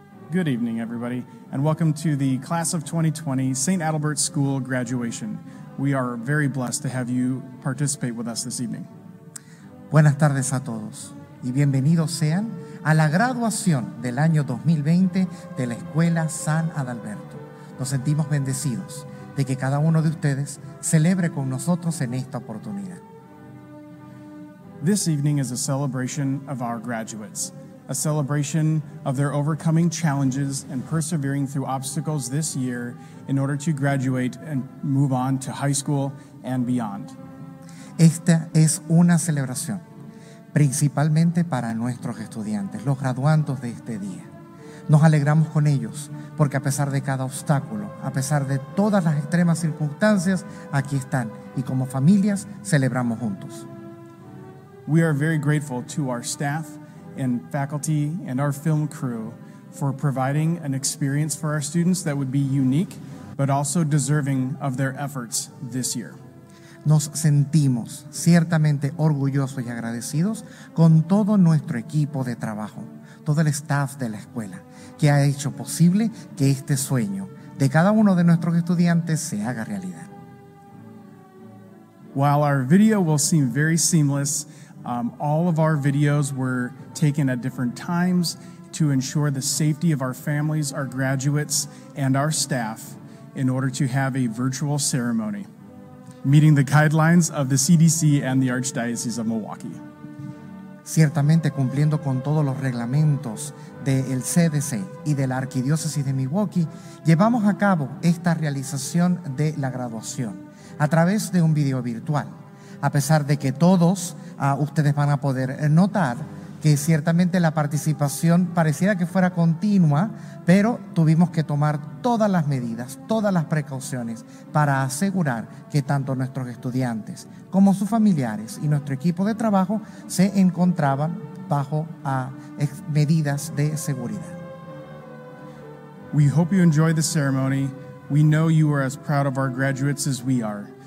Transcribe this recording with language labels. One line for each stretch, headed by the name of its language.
English: Good evening, everybody, and welcome to the Class of 2020 St. Adalbert School graduation. We are very blessed to have you participate with us this evening.
Spanish: Buenas tardes a todos, y bienvenidos sean a la graduación del año 2020 de la Escuela San Adalberto. Nos sentimos bendecidos de que cada uno de ustedes celebre con nosotros en esta oportunidad.
English: This evening is a celebration of our graduates. A celebration of their overcoming challenges and persevering through obstacles this year in order to graduate and move on to high school and beyond.
Spanish: Esta es una celebración principalmente para nuestros estudiantes, los graduandos de este día. Nos alegramos con ellos porque a pesar de cada obstáculo, a pesar de todas las extremas circunstancias, aquí están y como familias celebramos juntos.
English: We are very grateful to our staff and faculty and our film crew for providing an experience for our students that would be unique, but also deserving of their efforts this year.
Spanish: Nos sentimos ciertamente orgullosos y agradecidos con todo nuestro equipo de trabajo, todo el staff de la escuela, que ha hecho posible que este sueño de cada uno de nuestros estudiantes se haga realidad.
English: While our video will seem very seamless, all of our videos were taken at different times to ensure the safety of our families, our graduates, and our staff in order to have a virtual ceremony, meeting the guidelines of the CDC and the Archdiocese of Milwaukee.
Spanish: Ciertamente cumpliendo con todos los reglamentos del CDC y de la Arquidiócesis de Milwaukee, llevamos a cabo esta realización de la graduación a través de un video virtual. A pesar de que todos ustedes van a poder notar que ciertamente la participación pareciera que fuera continua, pero tuvimos que tomar todas las medidas, todas las precauciones para asegurar que tanto nuestros estudiantes como sus familiares y nuestro equipo de trabajo se encontraban bajo medidas de seguridad.
English: We hope you enjoy the ceremony. We know you are as proud of our graduates as we are.